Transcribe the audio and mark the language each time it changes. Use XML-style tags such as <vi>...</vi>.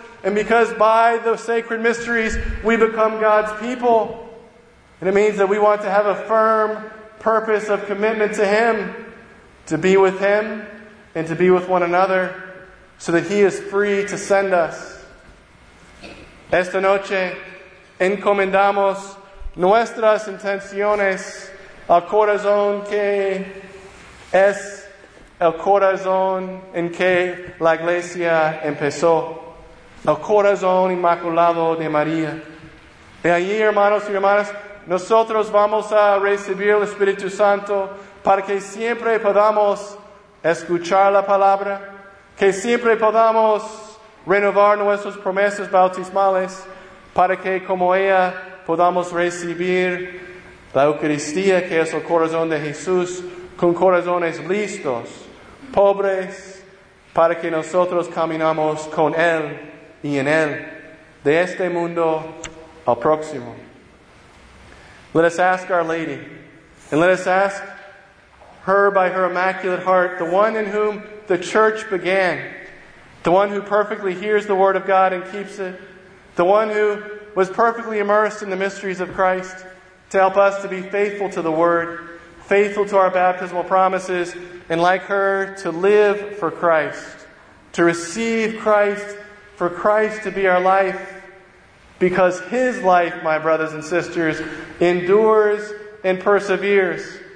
<en>And because by the sacred mysteries we become God's people. And it means that we want to have a firm purpose of commitment to Him, to be with Him and to be with one another so that He is free to send us.</en> <es>Esta noche encomendamos nuestras intenciones al corazón que es el corazón en que la Iglesia empezó, el corazón inmaculado de María. Y allí, hermanos y hermanas, nosotros vamos a recibir el Espíritu Santo para que siempre podamos escuchar la palabra, que siempre podamos renovar nuestras promesas bautismales para que como ella podamos recibir la Eucaristía que es el corazón de Jesús con corazones listos, pobres, para que nosotros caminamos con Él y en Él de este mundo al próximo.</es> <en>Let us ask Our Lady, and let us ask her by her Immaculate Heart, the one in whom the Church began, the one who perfectly hears the Word of God and keeps it, the one who was perfectly immersed in the mysteries of Christ, to help us to be faithful to the Word, faithful to our baptismal promises, and like her, to live for Christ, to receive Christ, for Christ to be our life, because His life, my brothers and sisters, endures and perseveres.</en>